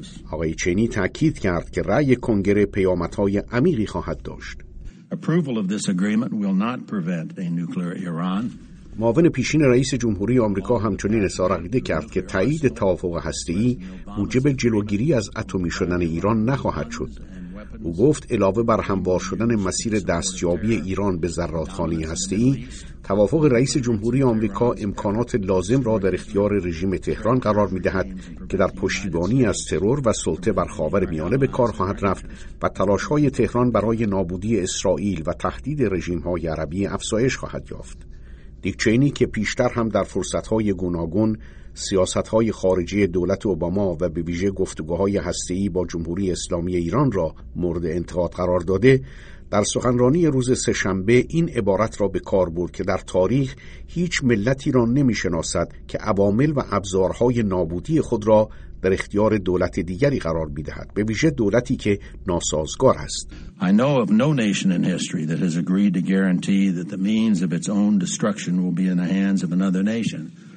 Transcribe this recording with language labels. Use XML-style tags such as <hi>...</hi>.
<fa>آقای چینی تأکید کرد که رأی کنگره پیامدهای عمیقی خواهد داشت.</fa> <en>Approval of this agreement will not prevent a nuclear Iran.</en> <fa>معاون پیشین رئیس جمهوری آمریکا همچنین اصرار کرد که تایید توافق هسته‌ای موجب جلوگیری از اتمی شدن ایران نخواهد شد. او گفت علاوه بر هموار شدن مسیر دستیابی ایران به ذرات‌خانه هسته‌ای، توافق رئیس جمهوری آمریکا امکانات لازم را در اختیار رژیم تهران قرار می‌دهد که در پشتیبانی از ترور و سلطه بر خاورمیانه به کار خواهد رفت و تلاش‌های تهران برای نابودی اسرائیل و تهدید رژیم‌های عربی افزایش خواهد یافت. دیک چینی که پیشتر هم در فرصت‌های گوناگون سیاست‌های خارجی دولت اوباما و به ویژه گفتگوهای هسته‌ای با جمهوری اسلامی ایران را مورد انتقاد قرار داده، در سخنرانی روز سه‌شنبه این عبارت را به کار برد که در تاریخ هیچ ملتی را نمی‌شناسد که عوامل و ابزارهای نابودی خود را در اختیار دولت دیگری قرار می‌دهد، به ویژه دولتی که ناسازگار است.</fa> <en>I know of no nation in history that has agreed to guarantee that the means of its own destruction will be in the hands of another nation.</en>